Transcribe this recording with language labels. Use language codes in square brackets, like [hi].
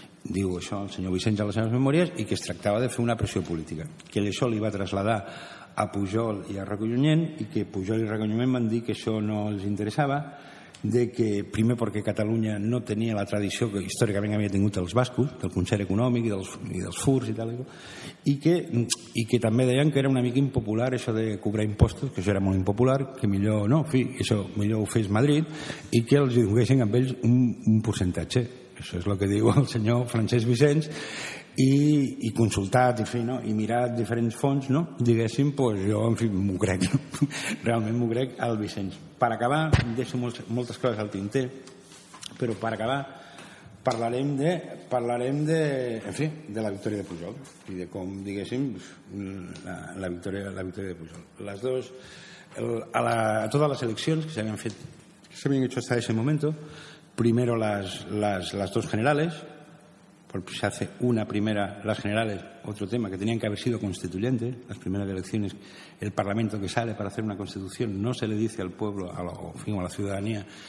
[ca] Diu això el senyor Vicenç a les seves memòries i que es tractava de fer una pressió política, que això li va traslladar a Pujol i a Roque Junyent i que Pujol i Roque Junyent van dir que això no els interessava, de que primer perquè Catalunya no tenia la tradició que històricament havia tingut els bascos, del concert econòmic i dels furs i tal, i que també deien que era una mica impopular això de cobrar impostos, que això era molt impopular, que millor no, fi, això millor ho fes Madrid, i que els donessin amb ells un percentatge. Això és el que diu el senyor Francesc Vicenç, i consultat, en fi, no? I mirat diferents fonts, no? Diguéssim, pues jo, en fi, m'ho crec, no? Realment m'ho crec al Vicenç. Per acabar, deixo moltes coses al tinter, però per acabar parlarem de, en fi, de la victòria de Pujol i de com, diguéssim, la victòria de Pujol. Les dues, a totes les eleccions que s'havien [es] fet, que s'havien hecho hasta ese momento, primero las dos generales, porque se hace una primera, las generales, otro tema, que tenían que haber sido constituyentes, las primeras elecciones, el Parlamento que sale para hacer una constitución, no se le dice al pueblo, a la ciudadanía,